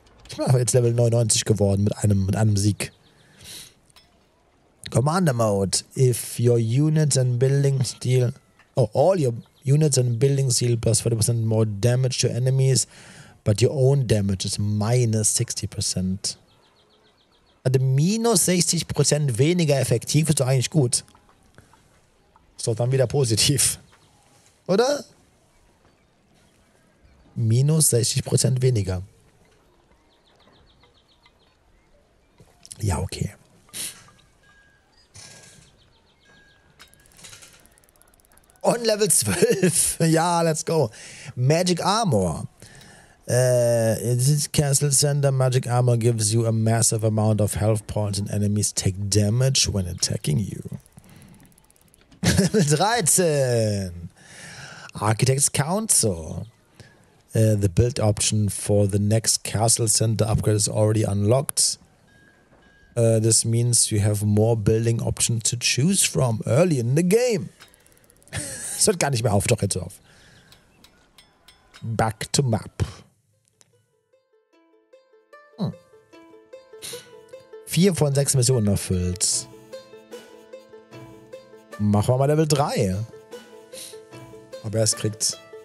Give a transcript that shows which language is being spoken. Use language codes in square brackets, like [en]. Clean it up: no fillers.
[de] Ich bin jetzt Level 99 geworden mit einem Sieg. [en] Commander Mode. If your units and buildings deal Oh, all your units and buildings deal plus 40% more damage to enemies, but your own damage is minus 60%. [de] Also minus 60% weniger effektiv ist doch eigentlich gut. So, dann wieder positiv. Oder? Minus 60% weniger. Ja, okay. [en] On Level 12. Ja, let's go. Magic Armor. This Castle Center Magic Armor gives you a massive amount of health points and enemies take damage when attacking you. Level 13. Architect's Council. The build option for the next Castle Center upgrade is already unlocked. This means you have more building options to choose from early in the game. [de] Es hört gar nicht mehr auf, doch jetzt auf. [en] Back to map. [de] Hm. 4 von 6 Missionen erfüllt. Machen wir mal Level 3. Ob er es kriegt.